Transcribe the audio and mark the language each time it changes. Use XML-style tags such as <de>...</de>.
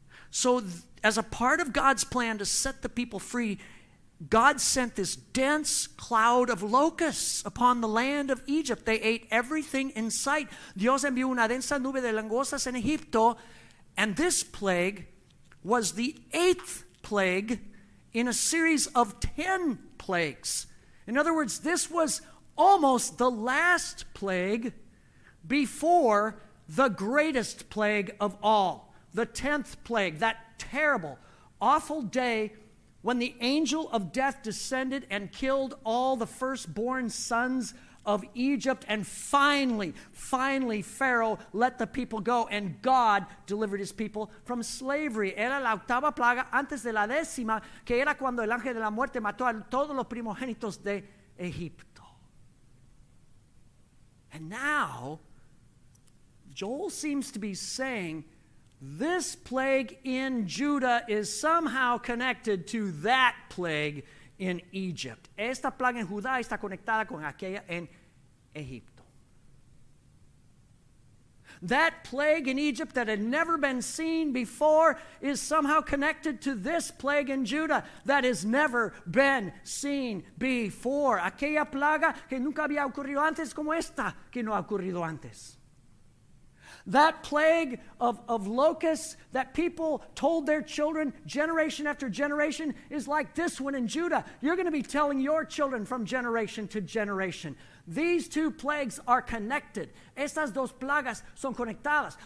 <en>So as a part of God's plan to set the people free, God sent this dense cloud of locusts upon the land of Egypt. They ate everything in sight.</en> <es>Dios envió una densa nube de langostas en Egipto.</es> <en>And this plague was the eighth plague in a series of 10 plagues. In other words, this was almost the last plague before the greatest plague of all, the 10th plague, that terrible, awful day when the angel of death descended and killed all the firstborn sons of Egypt, and finally, Pharaoh let the people go, and God delivered his people from slavery.</en> <es>Era la octava plaga antes de la décima, que era cuando el ángel de la muerte mató a todos los primogénitos de Egipto.</es> <en>And now, Joel seems to be saying, this plague in Judah is somehow connected to that plague in Egypt.</en> <es>Esta plaga en Judá está conectada con aquella en Egipto.</es> <en>That plague in Egypt that had never been seen before is somehow connected to this plague in Judah that has never been seen before.</en> <es>Aquella plaga que nunca había ocurrido antes como esta que no ha ocurrido antes.</es> <en>That plague of locusts that people told their children generation after generation is like this one in Judah. You're going to be telling your children from generation to generation. These two plagues are connected.</en> <es>Estas dos plagas son conectadas.</es>